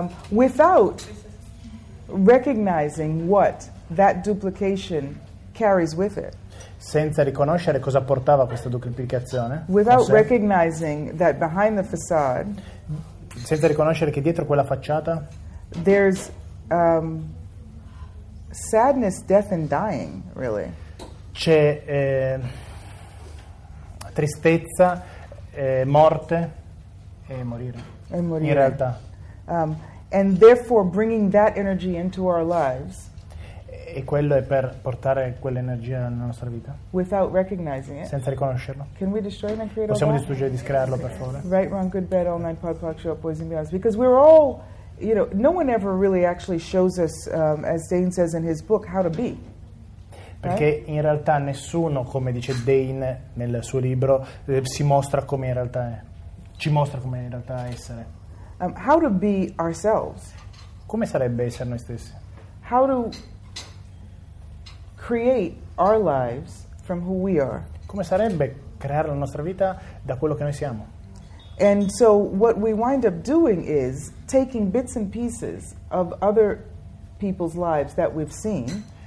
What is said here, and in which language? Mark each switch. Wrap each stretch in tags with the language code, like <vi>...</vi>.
<en>without recognizing what that duplication carries with it,</en> <it>senza riconoscere cosa portava questa duplicazione,</it> <en>without recognizing that behind the facade,</en> <it>senza riconoscere che dietro quella facciata</it> <en>there's sadness, death and dying, really.</en> <it>C'è tristezza, morte e morire. E morire. In realtà.</it> <en>And therefore bringing that energy into our lives.</en> <it>E quello è per portare quell'energia nella nostra vita.</it> <en>Without recognizing it.</en> <it>Senza riconoscerlo.</it> <en>Can we destroy and create?</en> <it>Possiamo distruggere e discrearlo, per favore.</it> <en>Right, wrong, good, bad, all night, pod, pod, show, poison, beyond. Because we're all, you know, no one ever really actually shows us, as Dane says in his book, how to be.</en> <it>Perché in realtà nessuno, come dice Dane nel suo libro, si mostra come in realtà è. Ci mostra come in realtà essere.</it> <en>How to be ourselves.</en> <it>Come sarebbe essere noi stessi?</it> <en>How to create our lives from who we are.</en> <it>Come sarebbe creare la nostra vita da quello che noi siamo?</it> <en>And so what we wind up doing is taking bits and pieces of other people's lives that we've seen.</en>